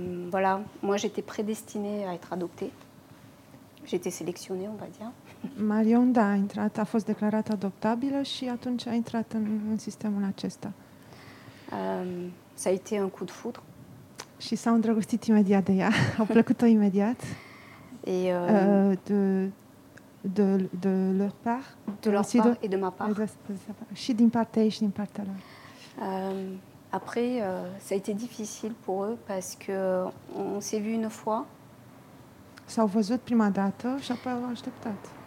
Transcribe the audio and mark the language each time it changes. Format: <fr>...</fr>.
<fr>voilà, moi j'étais prédestinée à être adoptée. J'étais sélectionnée, on va dire.</fr> <ro>Marion, da, a fost declarată adoptabilă și atunci a intrat în sistemul acesta.</ro> <fr>Ça a été un coup de foudre.</fr> <ro>Și s-au îndrăgostit imediat de ea. Au plăcut-o imediat.</ro> <fr>Et de leur part, de leur part et de ma part.</fr> <ro>Și din partea ei și din partea lor.</ro> <fr>Après, ça a été difficile pour eux parce que on s'est vu une fois.</fr> <ro>S-au văzut prima dată și apoi au așteptat.</ro>